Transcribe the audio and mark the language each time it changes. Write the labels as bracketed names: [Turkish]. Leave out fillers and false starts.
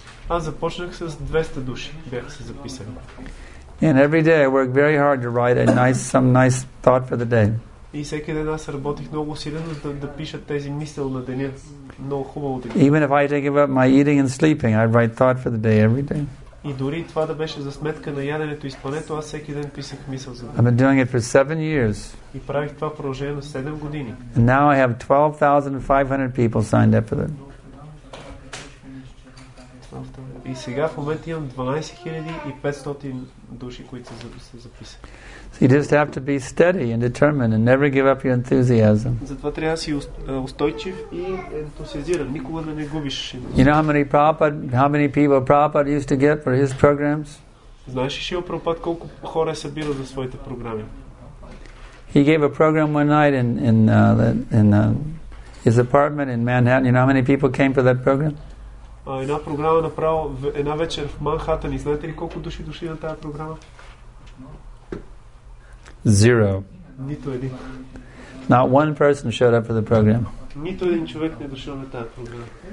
[Bulgarian] Аз започнах с 200 души, бяха се записали. [English] And every day I work very hard to write a nice, some nice thought for the day. [Bulgarian] И всеки ден аз работих много усилено да пиша тези мисъл на деня. Много хубаво да ги. [English] Even if I take about my eating and sleeping, I write thought for the day every day. [Bulgarian] И дори това да беше за сметка на яденето и спането, аз всеки ден писах мисъл за деня. [English] I've been doing it for 7 years. [Bulgarian] И правих това продължение на 7 години. [English] And now I have 12,500 people signed up for it. [Bulgarian] И сега в момента имам 12500 души, които се записали. [English] So you just have to be steady and determined and never give up your enthusiasm. [Bulgarian] Затова трябва да си устойчив и ентусиазиран, никога да не губиш. [English] You know how many people Prabhupada used to get for his programs? [Bulgarian] Знаеш ли Шрила Прабхупад колко хора е събирал за своите програми? [English] He gave a program one night in his apartment in Manhattan. You know how many people came for that program? [Bulgarian] Една програма направо една вечер в Манхатън. И знаете ли колко души дошли на тази програма? [English] Zero. [Bulgarian] Нито един. [English] Not one person showed up for the program. [Bulgarian] Нито един човек не дошъл на тази програма.